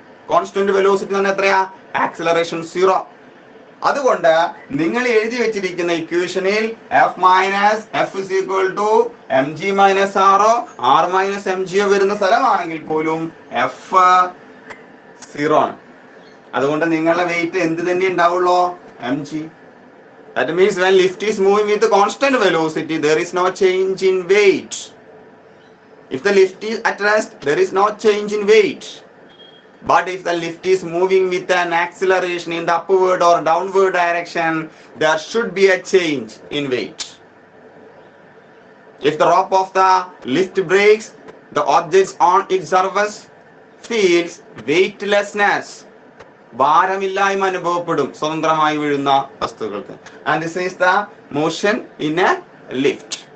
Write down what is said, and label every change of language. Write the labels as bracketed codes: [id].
[ml] Constant velocity തന്നെ എത്രയാ? Acceleration zero. അതുകൊണ്ട് നിങ്ങൾ എഴുതി വെച്ചിരിക്കുന്ന ഇക്വേഷനിൽ F minus F is equal to M G minus ആറോ ആർ മൈനസ് എം ജിയോ വരുന്ന സ്ഥലമാണെങ്കിൽ പോലും എഫ് സീറോ ആണ്. അതുകൊണ്ട് നിങ്ങളുടെ വെയിറ്റ് എന്ത് തന്നെ ഉണ്ടാവുള്ളൂ? M G. [en] That means when lift is moving with constant velocity there is no change in weight. If the lift is at rest there is no change in weight. But if the lift is moving with an acceleration in the upward or downward direction, there should be a change in weight. If the rope of the lift breaks, the objects on its surface feels weightlessness. [ml] ഭാരമില്ലായ്മ അനുഭവപ്പെടും സ്വതന്ത്രമായി വീഴുന്ന വസ്തുക്കൾക്ക്. [en] And this is the motion in a lift.